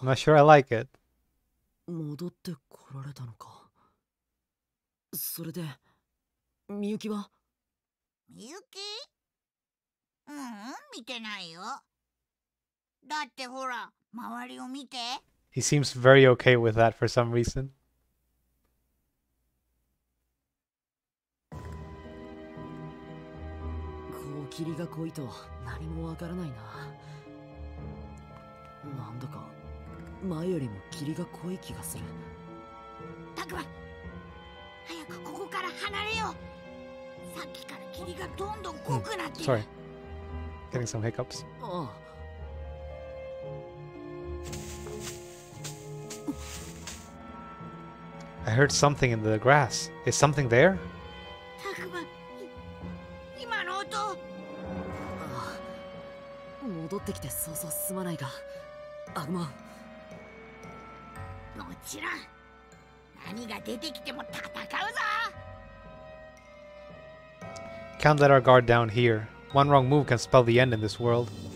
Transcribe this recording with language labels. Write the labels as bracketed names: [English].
[English] Not sure I like it. [Japanese] 戻ってこられたのか。それで、みゆきは？みゆき？見てないよ。だってほら、周りを見て。 [English] He seems very okay with that for some reason. [Japanese] こう霧が濃いと何もわからないな。なんだか前よりも霧が濃い気がする。たくま、早くここから離れよう。さっきから霧がどんどん濃くなって [English] る。Sorry. Getting some hiccups. I heard something in the grass. Is something there? [Japanese] Takuma, 今の音。戻ってきてそうそう進まないが、アグマン。もちろん。何が出てきても戦うぞ。 [English] Can't let our guard down here. One wrong move can spell the end in this world.